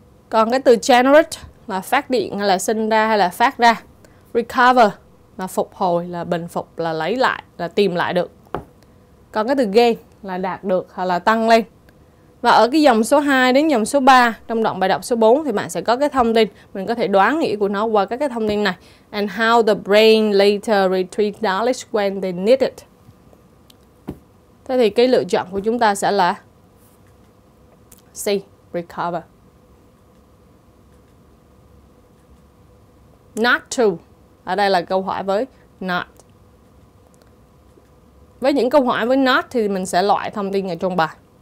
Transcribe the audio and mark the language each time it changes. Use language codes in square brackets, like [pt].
[vi] Còn cái từ generate là phát điện, hay là sinh ra, hay là phát ra. Recover là phục hồi, là bình phục, là lấy lại, là tìm lại được. Còn cái từ gain là đạt được hoặc là tăng lên. Và ở cái dòng số 2 đến dòng số 3 trong đoạn bài đọc số 4 thì bạn sẽ có cái thông tin, mình có thể đoán nghĩa của nó qua các cái thông tin này. [en] And how the brain later retrieve knowledge when they need it. [vi] Thế thì cái lựa chọn của chúng ta sẽ là C, recover. [en] Not to. [vi] Ở đây là câu hỏi với not. Với những câu hỏi với not thì mình sẽ loại thông tin ở trong bài.